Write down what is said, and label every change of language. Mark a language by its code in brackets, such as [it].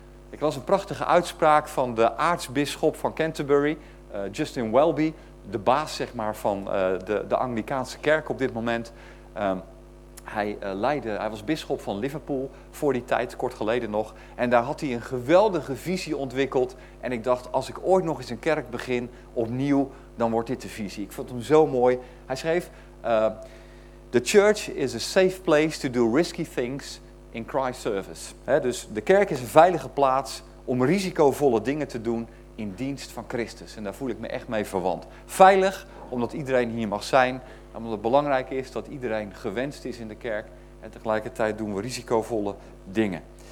[nl] Ik las een prachtige uitspraak van de aartsbisschop van Canterbury, Justin Welby, de baas zeg maar van de Anglicaanse kerk op dit moment. Hij was bisschop van Liverpool voor die tijd, kort geleden nog. En daar had hij een geweldige visie ontwikkeld. En ik dacht, als ik ooit nog eens een kerk begin, opnieuw, dan wordt dit de visie. Ik vond hem zo mooi. [en] Hij schreef, The church is a safe place to do risky things in Christ's service. [nl] He, dus de kerk is een veilige plaats om risicovolle dingen te doen in dienst van Christus. En daar voel ik me echt mee verwant. Veilig, omdat iedereen hier mag zijn. Omdat het belangrijk is dat iedereen gewenst is in de kerk. En tegelijkertijd doen we risicovolle dingen.